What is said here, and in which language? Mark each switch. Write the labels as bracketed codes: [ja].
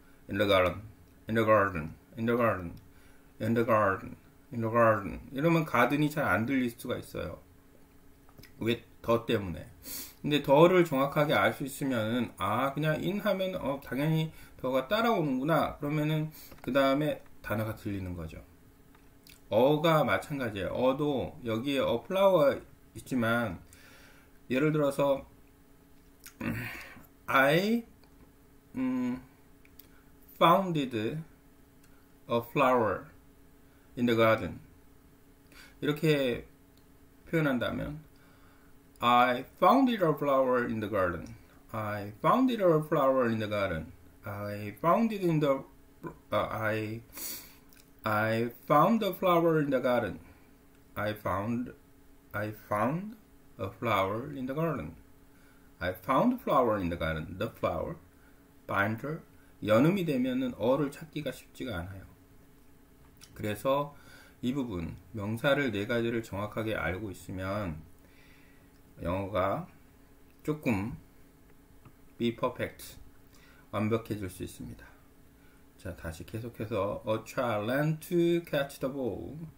[en] In the garden. In the garden. In the garden. In the garden. In the garden. [ko] 이러면 가든이 잘안 들릴 수가 있어요. 왜더 때문에. 근데 더를 정확하게 알수 있으면은, 아, 그냥 in 하면 당연히 더가 따라오는구나. 그러면은 그 다음에 단어가 들리는 거죠. 어가 마찬가지예요. 어도 여기에 [en] a flower [ko] 있지만, 예를 들어서 [en] I founded a flower in the garden. [ko] 이렇게 표현한다면, [en] I founded a flower in the garden. I founded a flower in the garden. I founded in the I found a flower in the garden. I found a flower in the garden. I found flower in the garden. The flower, binder. [ko] 연음이 되면은 어를 찾기가 쉽지가 않아요. 그래서 이 부분, 명사를 네 가지를 정확하게 알고 있으면 영어가 조금 [en] be perfect, [ko] 완벽해질 수 있습니다. 자, 다시 계속해서 [en] A child learned to catch the ball.